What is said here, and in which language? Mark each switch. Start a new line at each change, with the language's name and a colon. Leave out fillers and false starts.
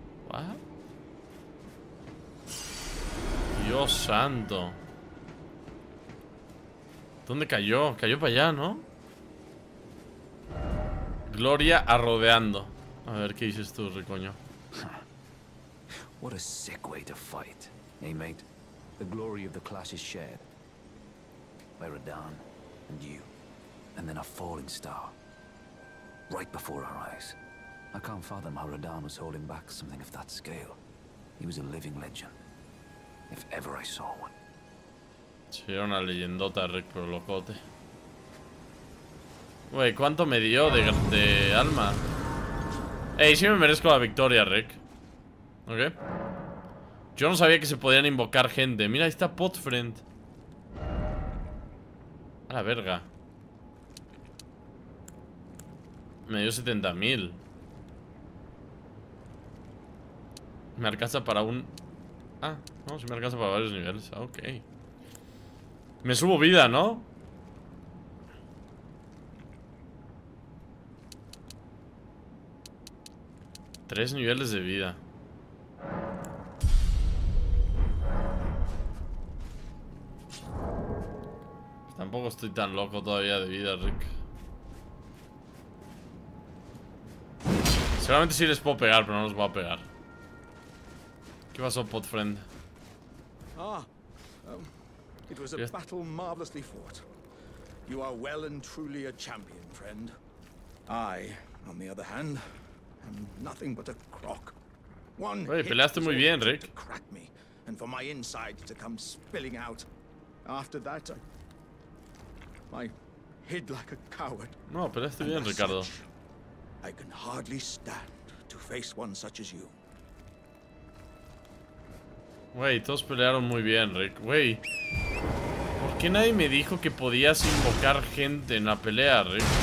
English: What?
Spanish: Dios santo. ¿Dónde cayó? Cayó para allá, ¿no? Gloria arrodeando. A ver qué dices tú, Ricoño.
English: What a sick way to fight, eh, mate. The glory of the clash is shared. By Radan and you. And then a falling star. Right before our eyes. I can't fathom how Radan was holding back something of that scale. He was a living legend. If ever I saw one.
Spanish: Sí, era una leyendota, Rick, pero locote. Wey, ¿cuánto me dio de alma? Ey, sí me merezco la victoria, Rick. ¿Ok? Yo no sabía que se podían invocar gente. Mira, ahí está Potfriend. A la verga. Me dio 70.000. Me alcanza para un... Ah, no, si me alcanza para varios niveles. Ok. Me subo vida, ¿no? Tres niveles de vida. Tampoco estoy tan loco todavía de vida, Rick. Seguramente sí les puedo pegar, pero no los voy a pegar. ¿Qué pasó, Potfriend?
English: Ah, it was a battle marvelously fought. You are well and truly a champion, friend. I, on the other hand, am nothing but a crock. One hit.
Spanish: Oye, peleaste muy bien, Rick.
English: To crack me, and for my inside to come spilling out. After that, I hid like a coward.
Spanish: No, peleaste bien, Ricardo.
English: I can hardly stand to face one such as you.
Spanish: Wey, todos pelearon muy bien, Rick. Wey, ¿por qué nadie me dijo que podías invocar gente en la pelea, Rick?